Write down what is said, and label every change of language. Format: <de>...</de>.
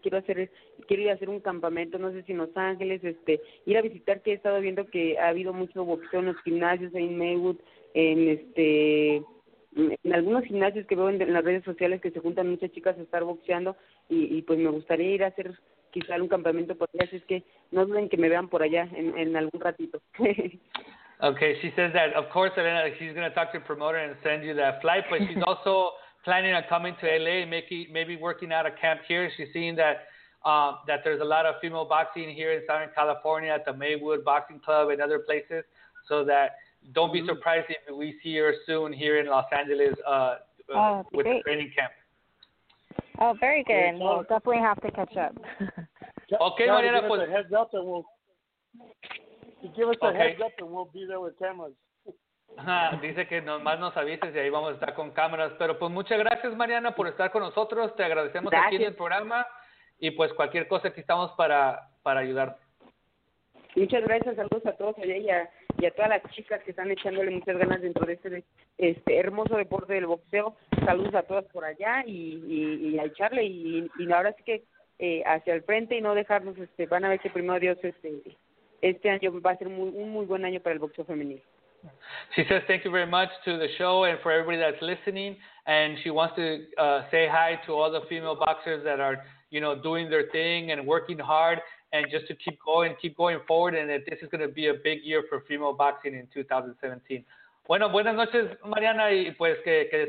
<es>Quiero ir a hacer un campamento, no sé si en Los Ángeles, ir a visitar, que he estado viendo que ha habido mucho boxeo en los gimnasios, en Maywood, en algunos gimnasios que veo en las redes sociales que se juntan muchas chicas a estar boxeando. Y pues me gustaría ir a hacer quizá un campamento por allá, así es que no duden que me vean por allá en algún ratito.</es> <en>Okay, she says that, of course, Elena, she's going to talk to your promoter and send you that flight, but she's also planning on coming to L.A., maybe working out a camp here. She's seeing that that there's a lot of female boxing here in Southern California at the Maywood Boxing Club and other places, so that don't be surprised if we see her soon here in Los Angeles with great. The training camp. Oh, very good. Great. We'll definitely have to catch up. Okay, John, Mariana. Give us a heads up and we'll... Give us a heads up and we'll be there with cameras.</en> <es>Dice que nomás nos avises y ahí vamos a estar con cámaras. Pero pues muchas gracias, Mariana, por estar con nosotros. Te agradecemos gracias. Aquí en el programa. Y pues cualquier cosa, aquí estamos para ayudar. Muchas gracias. Saludos a todos allá y a todas las chicas que están echándole muchas ganas dentro de este hermoso deporte del boxeo. Saludos a todas por allá y a echarle. Y ahora sí que hacia el frente y no dejarnos. Van a ver que primero Dios... Este año va a ser un muy buen año para el boxeo femenil.</es> <en>She says thank you very much to the show and for everybody that's listening. And she wants to say hi to all the female boxers that are, you know, doing their thing and working hard and just to keep going forward, and that this is going to be a big year for female boxing in 2017.</en> <es>Bueno, buenas noches, Mariana, y pues que descanses.</es>